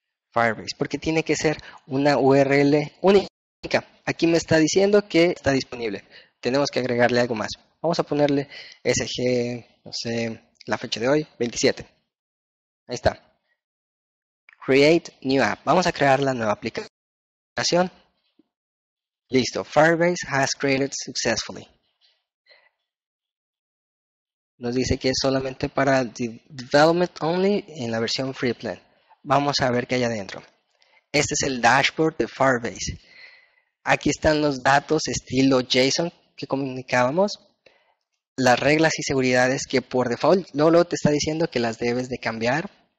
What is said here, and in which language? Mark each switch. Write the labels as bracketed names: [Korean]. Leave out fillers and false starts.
[Spanish] Firebase, porque tiene que ser una URL única. Aquí me está diciendo que está disponible. Tenemos que agregarle algo más. Vamos a ponerle SG, no sé, la fecha de hoy, 27. Ahí está. Create new app. Vamos a crear la nueva aplicación. Listo. [English] Firebase has created successfully. [Spanish] Nos dice que es solamente para [English] development only [Spanish] en la versión free plan. Vamos a ver qué hay adentro. Este es el dashboard de Firebase. Aquí están los datos estilo JSON que comunicábamos. Las reglas y seguridades que por default Lolo te está diciendo que las debes de cambiar.